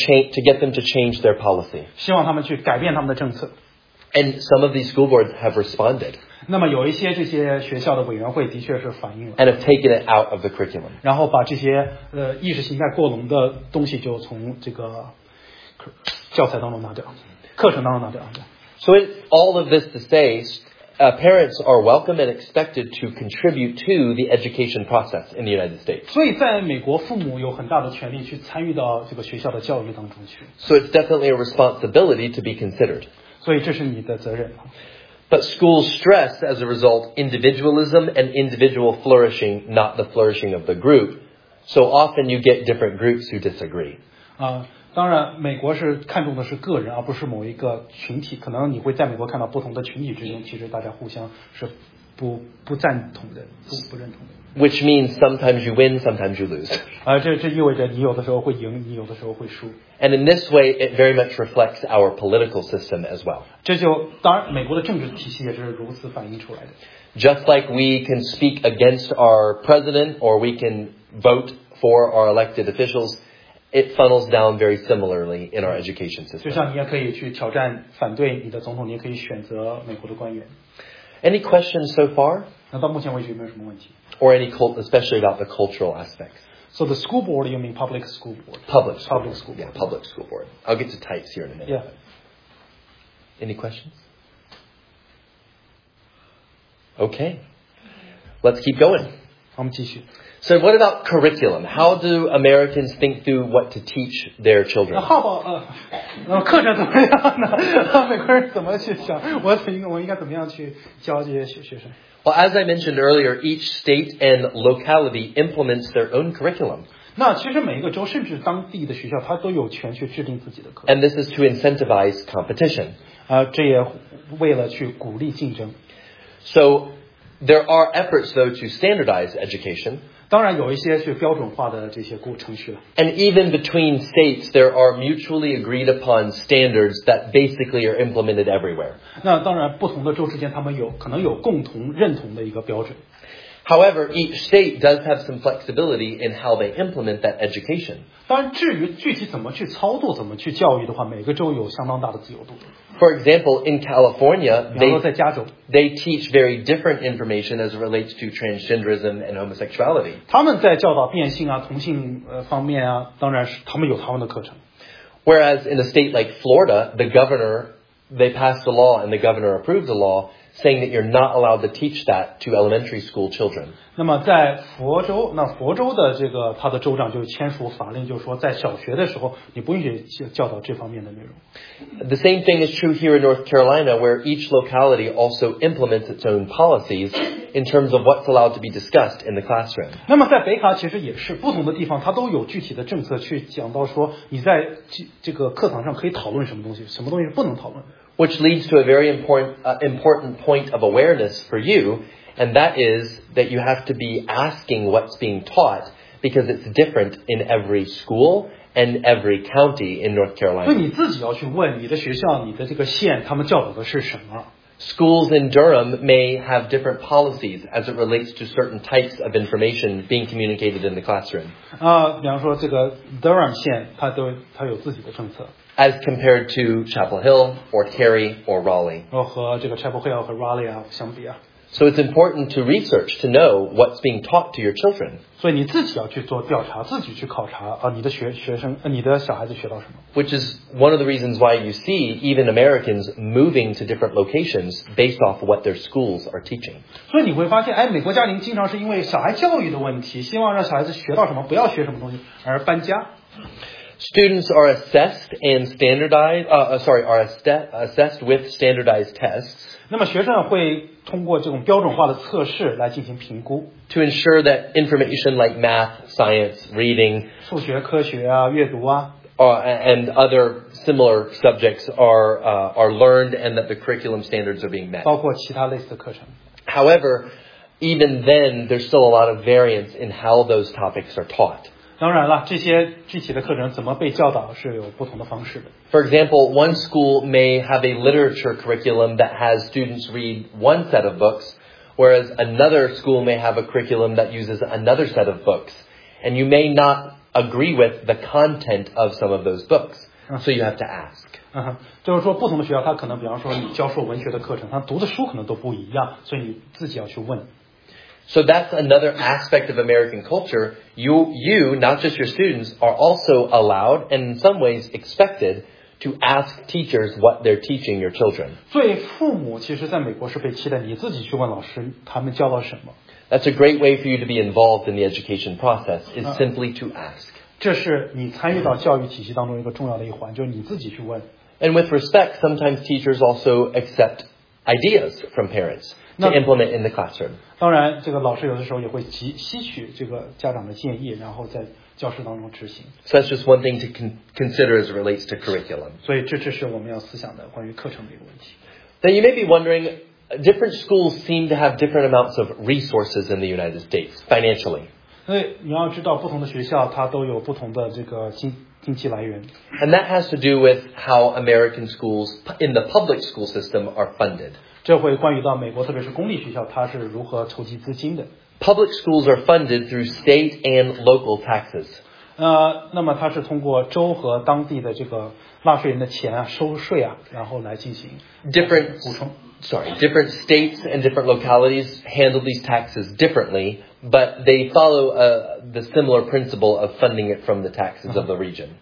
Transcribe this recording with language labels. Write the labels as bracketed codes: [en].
[en] To get them to change their policy. [zh] 希望他们去改变他们的政策。 [en] And some of these school boards have responded. [zh] 那么有一些这些学校的委员会的确是反映了。 [en] And have taken it out of the curriculum. [zh] 然后把这些意识形态过浓的东西就从这个教材当中拿掉，课程当中拿掉。 [en] So all of this to say, parents are welcome and expected to contribute to the education process in the United States. [zh] 所以在美国，父母有很大的权利去参与到这个学校的教育当中去。 [en] So it's definitely a responsibility to be considered. [zh] 所以这是你的责任。 [en] But schools stress, as a result, individualism and individual flourishing, not the flourishing of the group. So often you get different groups who disagree. [zh] 当然，美国是看重的是个人，而不是某一个群体。可能你会在美国看到不同的群体之中，其实大家互相是不赞同的，不认同的。 [en] Which means sometimes you win, sometimes you lose. [zh] 这意味着你有的时候会赢，你有的时候会输。 [en] And in this way, it very much reflects our political system as well. [zh] 这就当然，美国的政治体系也是如此反映出来的。 [en] Just like we can speak against our president, or we can vote for our elected officials, it funnels down very similarly in our education system. [zh] 就像你也可以去挑战反对你的总统，你也可以选择美国的官员。 [en] Any questions so far? [zh] 那到目前为止有没有什么问题？ [en] Or any cult, especially about the cultural aspects? So the school board, you mean public school board? Public school board. Public school board. Yeah, public school board. I'll get to types here in a minute. Yeah. Any questions? Okay. Let's keep going. [zh] 我们继续。 [en] So what about curriculum? How do Americans think through what to teach their children? [zh] 那课程怎么样呢？美国人怎么去想？我应该怎么样去教这些学生？ [en] Well, as I mentioned earlier, each state and locality implements their own curriculum. [zh] 那其实每一个州甚至当地的学校，它都有权去制定自己的课。 [en] And this is to incentivize competition. [zh] 这也为了去鼓励竞争。 [en] So there are efforts, though, to standardize education. [zh] 当然有一些去标准化的这些过程序了。 [en] And even between states, there are mutually agreed upon standards that basically are implemented everywhere. [zh] 那当然，不同的州之间，他们有可能有共同认同的一个标准。 [en] However, each state does have some flexibility in how they implement that education. [zh] 当然，至于具体怎么去操作、怎么去教育的话，每个州有相当大的自由度。 [en] For example, in California, they teach very different information as it relates to transgenderism and homosexuality. [zh] 他们在教导变性啊、同性方面啊，当然是他们有他们的课程。 [en] Whereas in a state like Florida, the governor, they passed a law and the governor approved the law. Saying that you're not allowed to teach that to elementary school children. [zh] 那么在佛州，那佛州的这个他的州长就签署法令，就是说在小学的时候你不允许教导这方面的内容。 [en] The same thing is true here in North Carolina, where each locality also implements its own policies in terms of what's allowed to be discussed in the classroom. [zh] 那么在北卡其实也是不同的地方，它都有具体的政策去讲到说你在这个课堂上可以讨论什么东西，什么东西是不能讨论的。 [en] Which leads to a very important point of awareness for you, and that is that you have to be asking what's being taught because it's different in every school and every county in North Carolina. [zh] 对，你自己要去问你的学校、你的这个县，他们教导的是什么。 [en] Schools in Durham may have different policies as it relates to certain types of information being communicated in the classroom. [zh] 比方说这个 Durham 县，它有自己的政策。 [en] As compared to Chapel Hill or Cary or Raleigh. [zh] 和这个 Chapel Hill 和 Raleigh 相比啊。 [en] So it's important to research to know what's being taught to your children. [zh] 所以你自己要去做调查，自己去考察啊，你的学生，你的小孩子学到什么。 [en] Which is one of the reasons why you see even Americans moving to different locations based off what their schools are teaching. [zh] 所以你会发现，哎，美国家庭经常是因为小孩教育的问题，希望让小孩子学到什么，不要学什么东西而搬家。 [en] Students are assessed and standardized. Are assessed with standardized tests. [zh] 那么学生会通过这种标准化的测试来进行评估。 [en] To ensure that information like math, science, reading, [zh] 数学、科学啊、阅读啊 [en] and other similar subjects are learned and that the curriculum standards are being met. [zh] 包括其他类似的课程。 [en] However, even then, there's still a lot of variance in how those topics are taught. [zh] 当然了，这些具体的课程怎么被教导是有不同的方式的。 [en] For example, one school may have a literature curriculum that has students read one set of books, whereas another school may have a curriculum that uses another set of books, and you may not agree with the content of some of those books, so you have to ask. [zh] 就是说不同的学校，他可能比方说你教授文学的课程，他读的书可能都不一样，所以你自己要去问。 [en] So that's another aspect of American culture. You, not just your students, are also allowed and in some ways expected to ask teachers what they're teaching your children. [zh] 所以父母其实在美国是被期待你自己去问老师他们教到什么。 [en] That's a great way for you to be involved in the education process is simply to ask. [zh] 这是你参与到教育体系当中一个重要的一环，就是你自己去问。 [en] And with respect, sometimes teachers also accept ideas from parents. To implement in the classroom. [zh] 当然，这个老师有的时候也会吸取这个家长的建议，然后在教室当中执行。 [en] So that's just one thing to consider as it relates to curriculum. [zh] 所以这是我们要思想的关于课程的一个问题。 [en] Then you may be wondering, different schools seem to have different amounts of resources in the United States financially. [zh] 所以你要知道，不同的学校它都有不同的这个经济来源。 [en] And that has to do with how American schools in the public school system are funded. [zh] 这会关于到美国，特别是公立学校，它是如何筹集资金的。 [en] Public schools are funded through state and local taxes. [zh] 那么他是通过州和当地的这个纳税人的钱啊，收税啊，然后来进行 [en] different [zh] 补充。 [en] Sorry, different states and different localities handle these taxes differently, but they follow the similar principle of funding it from the taxes of the region.